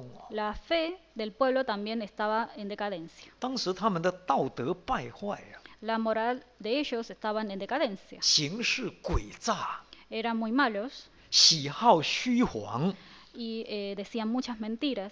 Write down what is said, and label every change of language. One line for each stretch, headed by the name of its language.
Spanish: La fe del pueblo también estaba en decadencia.
Chinese: 当时他们的道德败坏啊,
Spanish: la moral de ellos estaba en decadencia.
Chinese: 行事诡诈,
Spanish: eran muy malos.
Chinese: 喜好虚谎,
Spanish: y decían muchas mentiras.